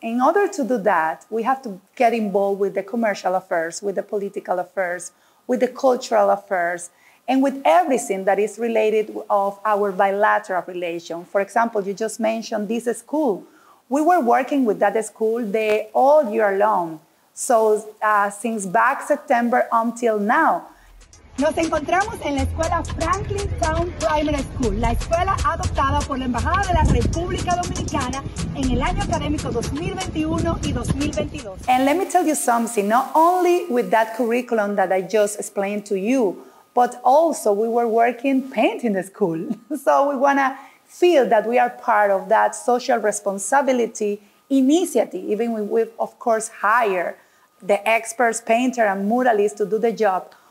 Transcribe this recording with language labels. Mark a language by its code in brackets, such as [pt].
[en] In order to do that, we have to get involved with the commercial affairs, with the political affairs, with the cultural affairs, and with everything that is related of our bilateral relation. For example, you just mentioned this school. We were working with that school all year long. So since back September until now. [es] Nos encontramos en la escuela Franklin Town Primary School, la escuela adoptada por la Embajada de la República Dominicana en el año académico 2021 y 2022. [en] And let me tell you something, not only with that curriculum that I just explained to you, but also we were working painting the school. So we wanna feel that we are part of that social responsibility initiative, even when we, of course, hire the experts, painter and muralist to do the job.